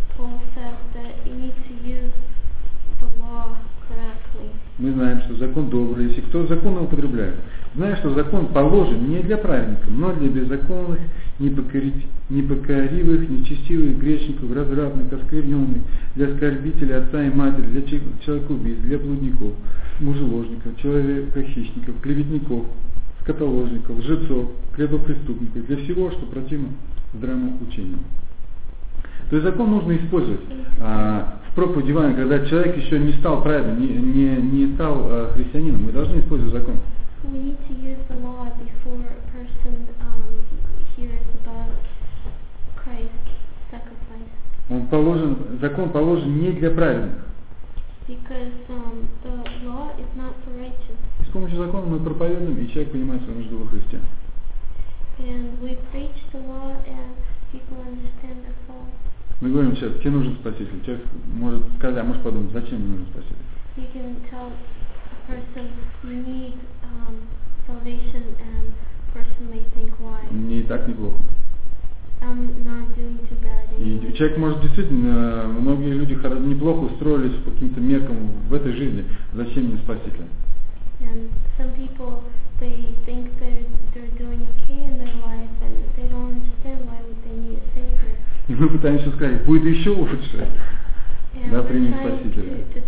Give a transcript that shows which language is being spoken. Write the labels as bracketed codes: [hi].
[en] Paul says that you need to use the law correctly. [ru] Мы знаем, что закон добрый, если кто закон употребляет. Знаешь, что закон положен не для праведников, но для беззаконных, непокоривых, нечестивых, грешников, развратных, оскверненных, для оскорбителей отца и матери, для человекоубийц, для блудников, мужеложников, человекохищников, клеветников, скотоложников, лжецов, клевопреступников, для всего, что противно здравому учению. То есть закон нужно использовать в проповеди Евангелия, когда человек еще не стал праведным, не стал христианином. Мы должны использовать закон. [en] We need to use the law before a person hears about Christ's sacrifice. [ru] Закон положен не для праведных. [en] Because the law is not for righteous. [ru] И с помощью закона мы проповедуем, и человек понимает свою нужду во Христе. [en] And we preach the law and people understand the fault. [ru] Мы говорим человеку, тебе нужен спаситель. Человек может сказать, а может подумать, зачем мне нужен спаситель. [en] You can tell a person you need salvation and a person may think why. [ru] Не так неплохо. [en] I'm not doing too bad anymore. [ru] И человек может действительно, многие люди неплохо устроились по каким-то меркам в этой жизни. Зачем мне спаситель? [en] And some people, they think they're doing okay in their life and they don't understand why they need a savior. [ru] И мы пытаемся сказать, будет еще лучше. Да, прими Спасителя.